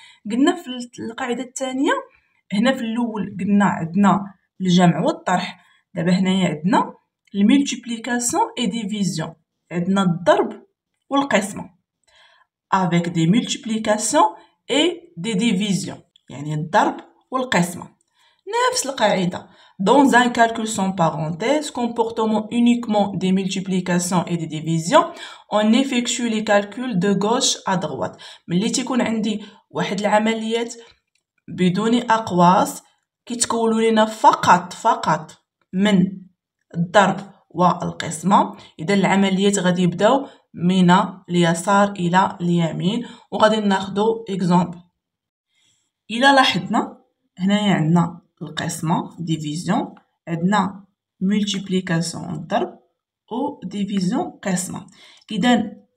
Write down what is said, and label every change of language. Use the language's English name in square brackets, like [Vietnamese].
[Arabic] قلنا في القاعده الثانيه هنا في الاول قلنا عندنا الجمع والطرح، دابا هنايا عندنا الملتيبليكاسيون اي ديفيزيون، عندنا الضرب والقسمه. [French] افيك دي ملتيبليكاسيون اي دي ديفيزيون، يعني الضرب والقسمه. نفس القاعده، dans un calcul sans parenthèse comportant uniquement des multiplications et des divisions on effectue les calculs de gauche à droite. [Arabic] ملي تيكون عندي واحد العمليات بدون اقواس كيتكونوا لنا فقط من الضرب والقسمه، اذا العمليات غادي يبداو من اليسار الى اليمين. وغادي ناخذ اكزامبل. الى لاحظنا هنايا عندنا القسمه ديفيزيون، عندنا ملتيبليكاسيون ضرب، و ديفيزيون قسمه. اذا